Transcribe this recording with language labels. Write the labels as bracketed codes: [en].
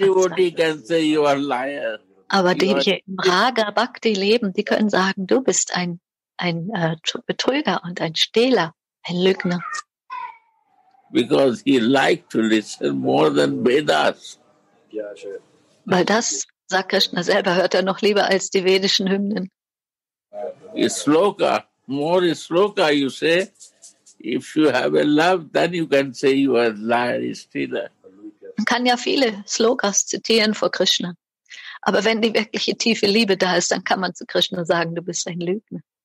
[en] Radha Devotee can say you are a liar. [de] Aber die, die im Raga Bhakti leben, die können sagen, du bist ein Betrüger und ein Stehler, ein Lügner. [en] Because he liked to listen more than Vedas. [de] Weil das, sagt Krishna selber, hört er noch lieber als die vedischen Hymnen. [en] Isloka, more isloka, you say. If you have a love, then you can say you are a liar, a stealer. [de] Man kann ja viele Slokas zitieren vor Krishna. Aber wenn die wirkliche tiefe Liebe da ist, dann kann man zu Krishna sagen, du bist ein Lügner.